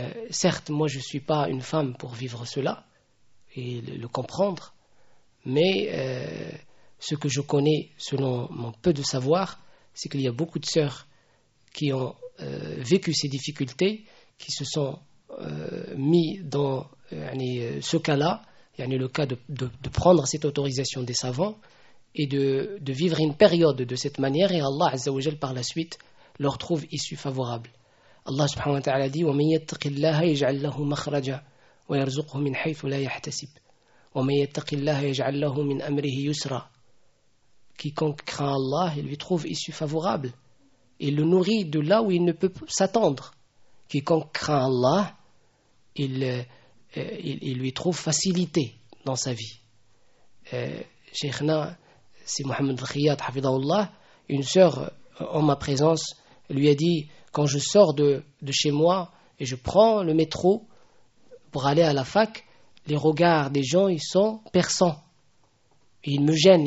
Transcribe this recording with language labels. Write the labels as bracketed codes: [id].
[fr] Certes, moi je ne suis pas une femme pour vivre cela et le comprendre, mais ce que je connais selon mon peu de savoir, c'est qu'il y a beaucoup de sœurs qui ont vécu ces difficultés, qui se sont mis dans ce cas-là, le cas de prendre cette autorisation des savants et de vivre une période de cette manière, et Allah Azza wa Jal par la suite leur trouve issue favorable. Allah subhanahu wa ta'ala dit: [ar] وَمَنْ يَتَّقِ اللَّهَ يَجْعَلْ لَهُ مَخْرَجًا وَيَرْزُقْهُ مِنْ حَيْثُ لَا يَحْتَسِبُ وَمَنْ يَتَّقِ اللَّهَ يَجْعَلْ لَهُ مِنْ أَمْرِهِ يُسْرًا. [fr] Quiconque craint Allah, il lui trouve issue favorable. Il le nourrit de là où il ne peut s'attendre. Quiconque craint Allah, il lui trouve facilité dans sa vie. Cheikhna, c'est Mohamed Riyad, hafidhahullah, une sœur en ma présence lui a dit: quand je sors de chez moi et je prends le métro pour aller à la fac, les regards des gens, ils sont perçants. Ils me gênent.